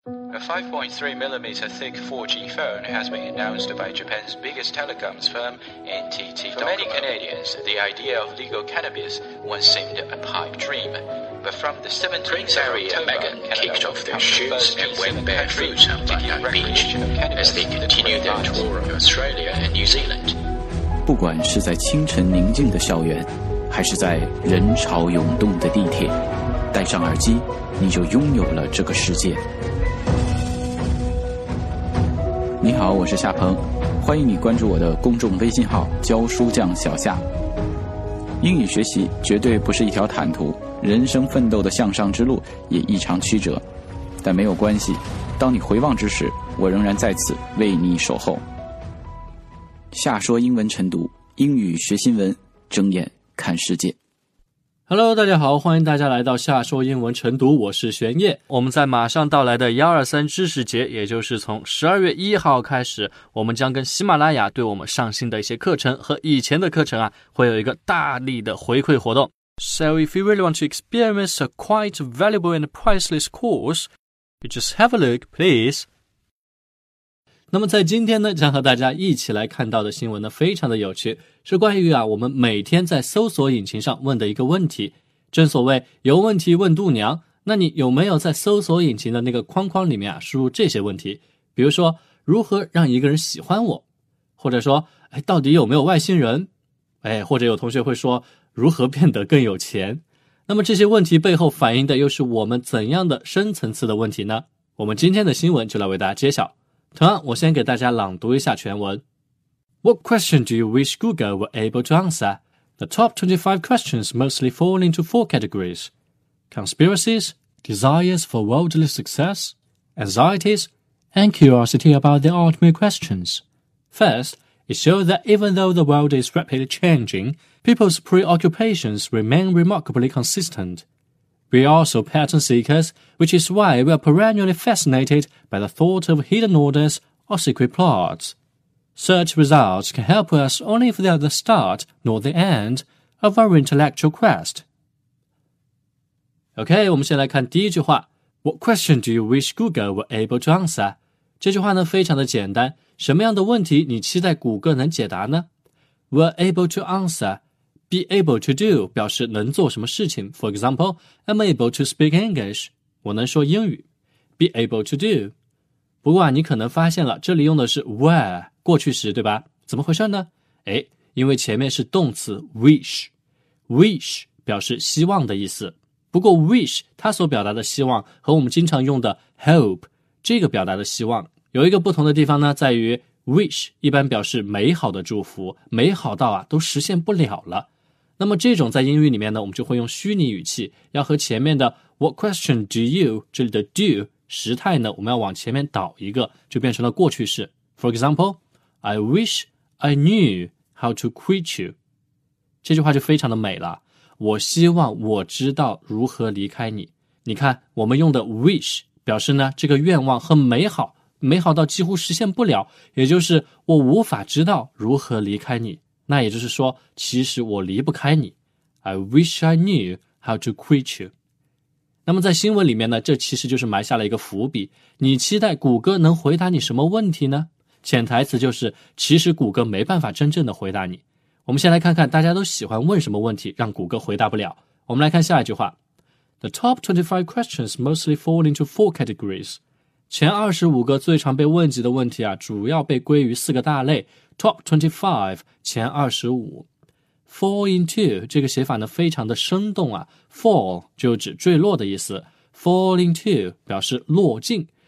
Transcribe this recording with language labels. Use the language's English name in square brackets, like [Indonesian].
[English] A 5.3mm thick 4G phone has been announced by Japan's biggest telecoms firm, NTT Docomo. For many Canadians, the idea of legal cannabis once seemed a pipe dream. But from the 17th of October, Megan kicked off their shoots and went barefoot on Bondi Beach as they continued their tour of Australia and New Zealand. [Chinese] 不管是在清晨宁静的校园，还是在人潮涌动的地铁，戴上耳机，你就拥有了这个世界。你好，我是夏鹏，欢迎你关注我的公众微信号教书匠小夏。英语学习绝对不是一条坦途，人生奋斗的向上之路也异常曲折，但没有关系，当你回望之时，我仍然在此为你守候。夏说英文晨读，英语学新闻，睁眼看世界。 [English] Hello， [Chinese] 大家好，欢迎大家来到夏说英文晨读，我是玄烨。我们在马上到来的123知识节，也就是从12月1号开始，我们将跟喜马拉雅对我们上新的一些课程和以前的课程啊，会有一个大力的回馈活动。 [English] So if you really want to experience a quite valuable and priceless course, you just have a look, please. [Chinese] 那么在今天呢，将和大家一起来看到的新闻呢，非常的有趣。是关于啊，我们每天在搜索引擎上问的一个问题。正所谓有问题问度娘，那你有没有在搜索引擎的那个框框里面啊，输入这些问题？比如说，如何让一个人喜欢我？或者说，哎，到底有没有外星人？哎，或者有同学会说，如何变得更有钱？那么这些问题背后反映的又是我们怎样的深层次的问题呢？我们今天的新闻就来为大家揭晓。同样，我先给大家朗读一下全文。 [English] What question do you wish Google were able to answer? The top 25 questions mostly fall into four categories. Conspiracies, desires for worldly success, anxieties, and curiosity about the ultimate questions. First, it shows that even though the world is rapidly changing, people's preoccupations remain remarkably consistent. We are also pattern seekers, which is why we are perennially fascinated by the thought of hidden orders or secret plots. Search results can help us only if they are the start nor the end of our intellectual quest. OK, [Chinese] 我们先来看第一句话。 [English] What question do you wish Google were able to answer? [Chinese] 这句话呢非常的简单。什么样的问题你期待谷歌能解答呢？ [English] Were able to answer. [Chinese] Be able to do 表示能做什么事情。 [English] For example, I'm able to speak English. [Chinese] 我能说英语。 [English] Be able to do. [Chinese] 不过啊，你可能发现了，这里用的是 were 过去时，对吧？怎么回事呢？哎，因为前面是动词 wish 表示希望的意思。不过 wish 它所表达的希望和我们经常用的 hope 这个表达的希望有一个不同的地方呢，在于 wish 一般表示美好的祝福，美好到啊都实现不了了。那么这种在英语里面呢，我们就会用虚拟语气，要和前面的 [English] What question do you [Chinese] 这里的 do。时态呢，我们要往前面倒一个，就变成了过去式。 [English] For example, I wish I knew how to quit you. [Chinese] 这句话就非常的美了。我希望我知道如何离开你。你看，我们用的 wish 表示呢，这个愿望很美好，美好到几乎实现不了，也就是我无法知道如何离开你。那也就是说，其实我离不开你。 [English] I wish I knew how to quit you. [Chinese] 那么在新闻里面呢，这其实就是埋下了一个伏笔。你期待谷歌能回答你什么问题呢？潜台词就是，其实谷歌没办法真正的回答你。我们先来看看大家都喜欢问什么问题，让谷歌回答不了。我们来看下一句话。 [English] The top 25 questions mostly fall into four categories. [Chinese] 前25个最常被问及的问题啊，主要被归于四个大类。 [English] Top 25, [Chinese] 前25。 Fall into 这个写法呢非常的生动啊， fall 就指坠落的意思， fall into 表示落进。